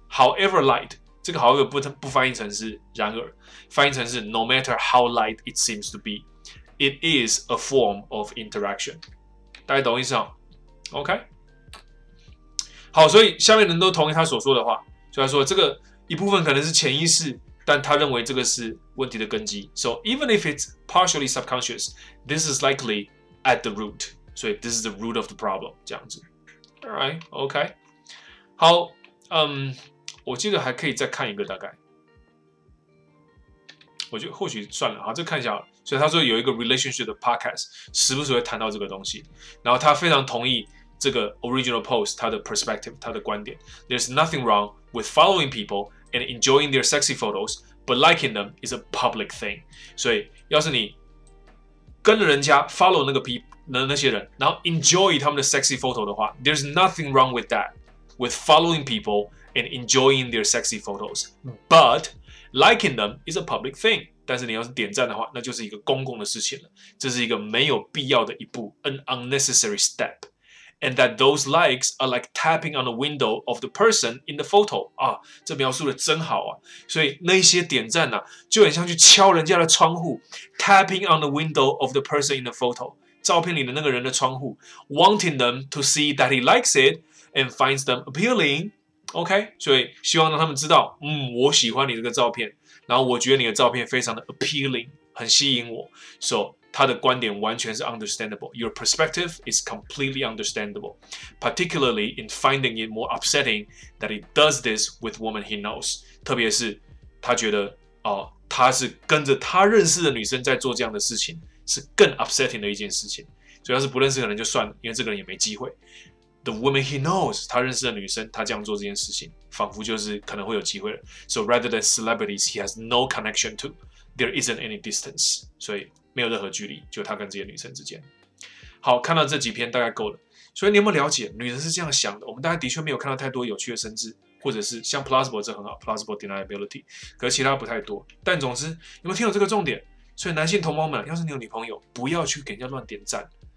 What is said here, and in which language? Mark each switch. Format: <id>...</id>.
<en>However light，</en> <zh>这个</zh> <en>however</en> <zh>不翻译成是然而，翻译成是</zh> <en>no matter how light it seems to be， it is a form of interaction。</en> <zh>大家懂意思哦 ？OK， 好，所以下面人都同意他所说的话，所以他说这个一部分可能是潜意识。但他认为这个是问题的根基。</zh> <en>So even if it's partially subconscious, this is likely at the root. So this is the root of the problem.</en> <zh>这样子。</zh> <en>All right, OK.</en> <zh>好，我记得还可以再看一个大概。我觉得或许算了，好，这看一下。所以他说有一个 relationship 的 podcast， 时不时会谈到这个东西。然后他非常同意这个 original post 他的 perspective， 他的观点。</zh> <en>There's nothing wrong with following people. And enjoying their sexy photos, but liking them is a public thing.</en> <zh>所以，要是你跟着人家 follow 那些人，然后 enjoy 他们的 sexy photo 的话 ，</zh> <en>there's nothing wrong with that. With following people and enjoying their sexy photos, but liking them is a public thing.</en> <zh>但是你要是点赞的话，那就是一个公共的事情了。这是一个没有必要的一步 ，</zh> <en>an unnecessary step. And that those likes are like tapping on the window of the person in the photo.</en> <zh>啊，这描述的真好啊！所以那些点赞呐、啊，就很像去敲人家的窗户 ，</zh> <en>tapping on the window of the person in the photo.</en> <zh>照片里的那个人的窗户</zh> <en>，wanting them to see that he likes it and finds them appealing.</en> <zh>OK， 所以希望让他们知道，嗯，我喜欢你这个照片，然后我觉得你的照片非常的 appealing， 很吸引我。So. 他的观点完全是 understandable.</zh> <en>Your perspective is completely understandable, particularly in finding it more upsetting that he does this with woman he knows.</en> <zh>特别是他觉得、他是跟着他认识的女生在做这样的事情，是更 upsetting 的一件事情。所以要是不认识的人就算了，因为这个人也没机会。</zh> <en>The woman he knows,</en> <zh>他认识的女生，他这样做这件事情，仿佛就是可能会有机会了。</zh> <en>So rather than celebrities he has no connection to, there isn't any distance.</en> <zh>所以没有任何距离，就他跟这些女生之间。好，看到这几篇大概够了。所以你有没有了解，女人是这样想的？我们大概的确没有看到太多有趣的生殖，或者是像 plausible 这很好 ，plausible deniability， 可是其他不太多。但总之，有没有听到这个重点？所以男性同胞们，要是你有女朋友，不要去给人家乱点赞。</zh>